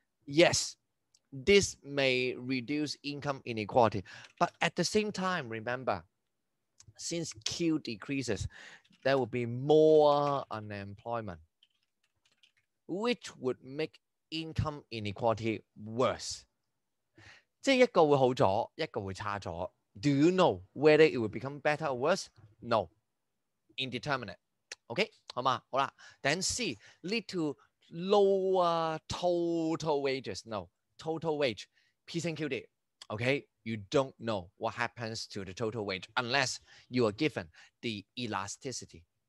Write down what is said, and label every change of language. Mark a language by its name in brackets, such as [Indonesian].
[English] Yes, this may reduce income inequality. But at the same time, remember, since Q decreases, there will be more unemployment, which would make income inequality worse. [Cantonese] 即一個會好咗，一個會差咗. [English] Do you know whether it will become better or worse? No. Indeterminate. Okay? [Cantonese] 好嗎?好啦. [English] Then C, lead to lower total wages. No. Total wage. P's and Q's. Okay? You don't know what happens to the total wage unless you are given the elasticity.